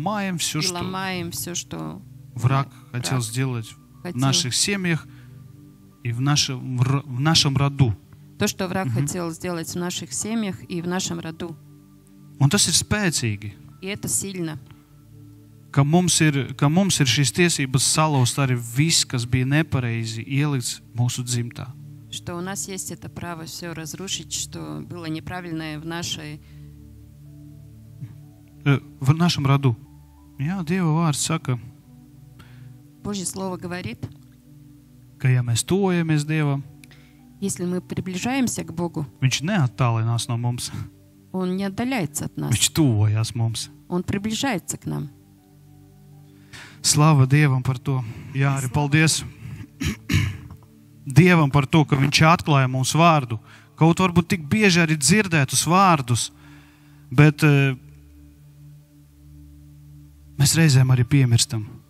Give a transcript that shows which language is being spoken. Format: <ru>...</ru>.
<ru>И ломаем все, что враг хотел сделать в наших семьях и в нашем роду. То, что враг хотел сделать в наших семьях и в нашем роду.</ru> <lv>Un tas ir spēcīgi.</lv> <ru>И это сильно.</ru> <lv>Ka mums ir šīs tiesības salauzt arī viss, kas bija nepareizi ielikts mūsu dzimtā.</lv> <ru>Что у нас есть это право все разрушить, что было неправильное в нашем роду.</ru> <lv>Jā, Dieva vārds saka.</lv> <ru>Божье слово говорит.</ru> <lv>Ka ja mēs tojamies Dievam.</lv> <ru>Если мы приближаемся к Богу.</ru> <lv>Viņš neattālinās no mums.</lv> <ru>Он не отдаляется от нас.</ru> <lv>Viņš tuvojās mums.</lv> <ru>Он приближается к нам.</ru> <lv>Slava Dievam par to. Jā, arī paldies Dievam par to, ka viņš atklāja mūsu vārdu. Kaut varbūt tik bieži arī dzirdēt uz vārdus, bet mēs reizēm arī piemirstam.</lv>